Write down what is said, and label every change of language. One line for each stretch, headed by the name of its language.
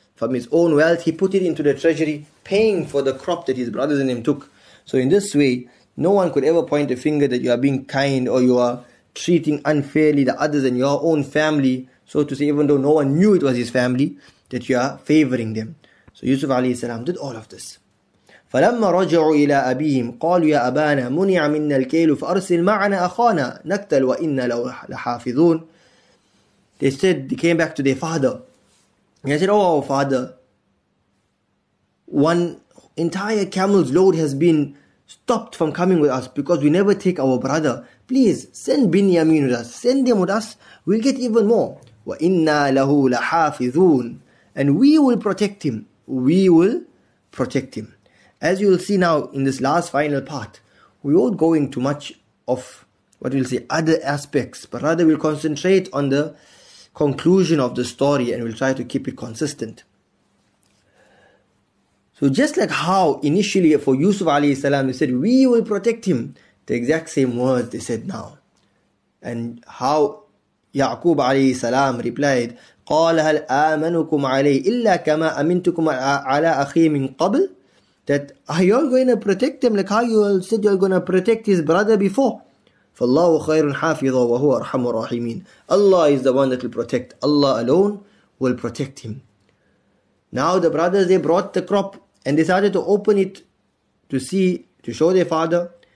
English: From his own wealth, he put it into the treasury, paying for the crop that his brothers and him took. So in this way, no one could ever point a finger that you are being kind or you are treating unfairly the others and your own family, so to say, even though no one knew it was his family, that you are favoring them. So Yusuf alayhi salam did all of this.
Arabic: فَلَمَّا رَجَعُوا إِلَىٰ أَبِيهِمْ قَالُوا يَا أَبَانَا مُنِعَ مِنَّا الْكَيْلُ فَأَرْسِلْ مَعَنَا أَخَانَا نَكْتَلْ وَإِنَّا لَوْ لَحَافِظُونَ.
English: They said, they came back to their father. And they said, oh, our father, one entire camel's load has been stopped from coming with us because we never take our brother. Please, send Binyamin with us. Send him with us. We'll get even more.
Arabic: وَإِنَّا لَهُ لَحَافِظُونَ.
English: And we will protect him. We will protect him. As you will see now in this last final part, we won't go into much of what we'll see other aspects, but rather we'll concentrate on the conclusion of the story and we'll try to keep it consistent. So just like how initially for Yusuf alayhi salam, they said, we will protect him. The exact same word they said now. And how Ya'qub alayhi salam replied,
Arabic: قَالَ هَلْ آمَنُكُمْ عَلَيْهِ إِلَّا كَمَا أَمِنْتُكُمْ عَلَىٰ أَخِي مِنْ قَبْلِ.
English: That are you all going to protect them like how you all said you are going to protect his brother before?
Arabic: فَاللَّهُ خَيْرٌ حَافِظًا وَهُوَ أَرْحَمُ الرَّاحِمِينَ.
English: Allah is the one that will protect. Allah alone will protect him. Now the brothers, they brought the crop and they started to open it to see, to show their father.